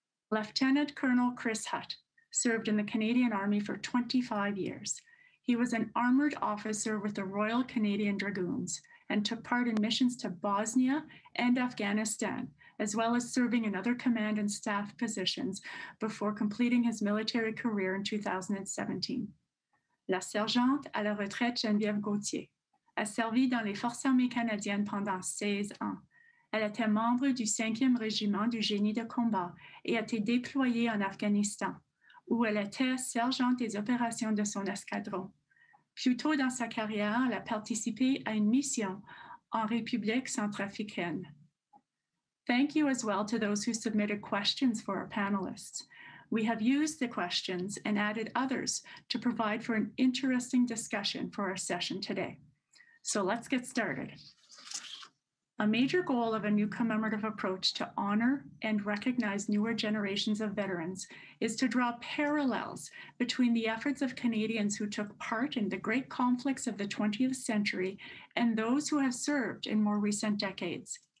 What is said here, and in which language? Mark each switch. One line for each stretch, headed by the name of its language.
English: Lieutenant Colonel Chris Hutt served in the Canadian Army for 25 years. He was an armored officer with the Royal Canadian Dragoons and took part in missions to Bosnia and Afghanistan, as well as serving in other command and staff positions before completing his military career in 2017.
French: La sergente à la retraite Geneviève Gauthier a servi dans les Forces armées canadiennes pendant 16 ans. Elle était membre du 5e régiment du génie de combat et a été déployée en Afghanistan, où elle était sergente des opérations de son escadron. Plus tôt dans sa carrière, elle a participé à une mission en République centrafricaine.
English: Thank you as well to those who submitted questions for our panelists. We have used the questions and added others to provide for an interesting discussion for our session today. So let's get started. A major goal of a new commemorative approach to honor and recognize newer generations of veterans is to draw parallels between the efforts of Canadians who took part in the great conflicts of the 20th century and those who have served in more recent decades.